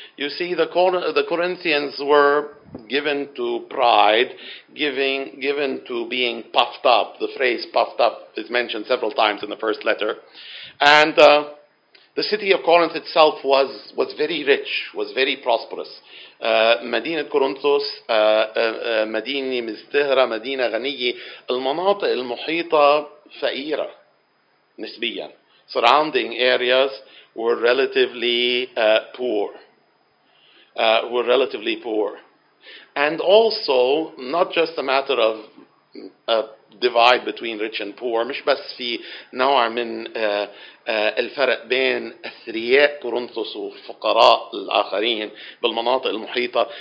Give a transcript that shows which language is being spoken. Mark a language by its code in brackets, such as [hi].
[en] You see, the Corinthians were given to pride, given to being puffed up. The phrase puffed up is mentioned several times in the first letter. And the city of Corinth itself was very rich, was very prosperous. [ar] مدينة كورنثوس مدينة مزدهرة مدينة غنية المناطق المحيطة فقيرة نسبيا. [en] Surrounding areas were relatively poor. And also, not just a matter of a divide between rich and poor. [ar] مش بس في نوع من الفرق بين أثرياء كورنثوس وفقراء الآخرين بالمناطق المحيطة.